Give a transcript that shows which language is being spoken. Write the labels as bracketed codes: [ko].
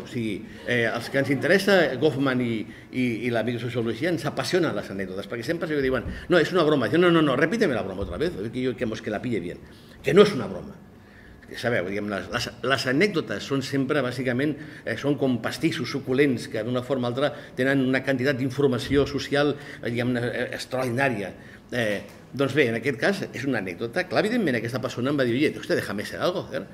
[ca] O sigui, els que ens interessa Goffman i la microsociologia ens apassionen les anècdotes, perquè sempre se diuen, no, és una broma. Diuen, no, [es] repíteme la broma otra vez, que la pille bien. [ca] Que no és una broma. Sabeu, diguem, les anècdotes són sempre, bàsicament, són com pastissos suculents que d'una forma o altra tenen una quantitat d'informació social, diguem-ne, extraordinària. Doncs bé, en aquest cas és una anècdota. Clar, evidentment, aquesta persona em va dir, [es] oye, usted, déjame ser algo.